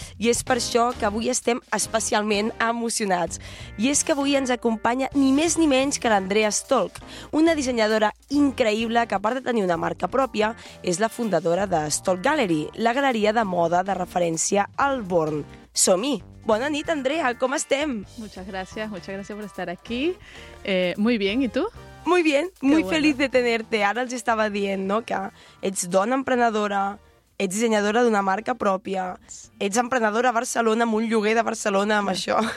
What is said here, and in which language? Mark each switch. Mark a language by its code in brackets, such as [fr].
[ca] I és per això que avui estem especialment emocionats. I és que avui ens acompanya ni més ni menys que l'Andrea Stolk, una dissenyadora increïble que, a part de tenir una marca pròpia, és la fundadora de Stolk Gallery, la galeria de moda de referència al Born. Som-hi! Bona nit, Andrea, com estem? [es] Muchas gracias por estar aquí. Muy bien, ¿y tú? Muy bien, muy feliz de tenerte. [ca] Ara els estava dient, no?, que ets dona emprenedora, ets dissenyadora d'una marca pròpia, ets emprenedora a Barcelona, amb un lloguer de Barcelona, amb això.